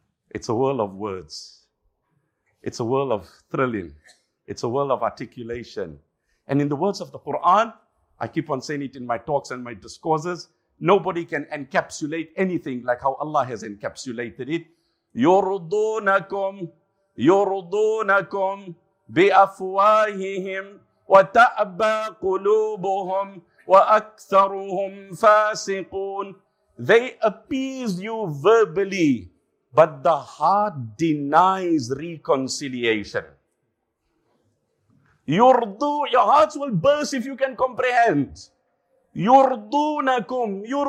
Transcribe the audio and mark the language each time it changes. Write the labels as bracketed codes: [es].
[en] It's a world of words. It's a world of thrilling. It's a world of articulation. And in the words of the Quran, I keep on saying it in my talks and my discourses, nobody can encapsulate anything like how Allah has encapsulated it. [ar] يُرْضُونَكُمْ يُرْضُونَكُمْ بأفواههم وتأبى قلوبهم وأكثرهم فاسقون. [en] They appease you verbally, but the heart denies reconciliation. Your hearts will burst if you can comprehend. Yurdunakum.